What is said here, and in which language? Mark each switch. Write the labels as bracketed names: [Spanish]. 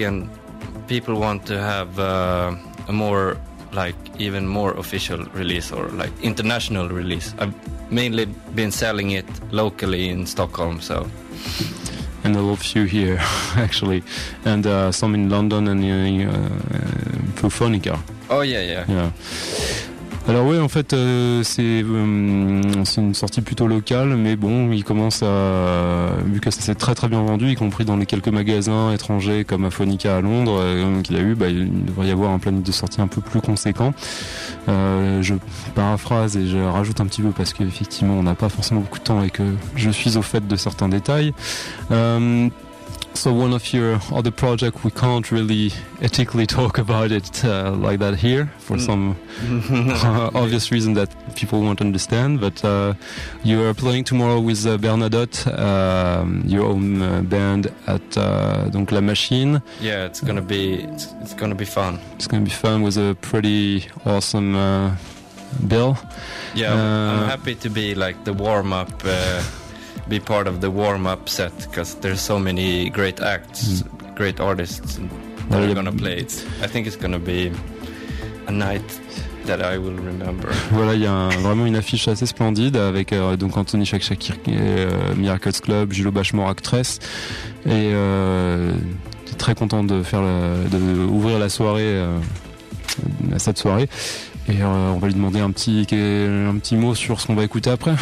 [English] And people want to have a more, like, even more official release or like international release. I've mainly been selling it locally in Stockholm, so. And a lot of you here, actually, and some in London and Fufonica. Oh yeah. [French] Alors oui, en fait, c'est une sortie plutôt locale, mais bon, il commence à... Vu que ça s'est très très bien vendu, y compris dans les quelques magasins étrangers comme Afonica à Londres, qu'il y a eu, bah, il devrait y avoir un planning de sortie un peu plus conséquent. Je paraphrase et je rajoute un petit peu parce qu'effectivement, on n'a pas forcément beaucoup de temps et que je suis au fait de certains détails. [English] So one of your other projects, we can't really ethically talk about it like that here for some obvious reason that people won't understand, but you are playing tomorrow with Bernadotte, your own band at Donc La Machine. Yeah, it's gonna be fun. It's gonna be fun with a pretty awesome bill. Yeah, I'm happy to be like the warm-up be part of the warm-up set, because there's so many great acts, great artists that are going to play it. I think it's going to be a night that I will remember. [French] Voilà, il y a vraiment une affiche assez splendide avec donc Anthony Shakshakir, Miracles Club, Julo Bachmore, Actress, et très content de faire de ouvrir la soirée à cette soirée. Et on va lui demander un petit mot sur ce qu'on va écouter après.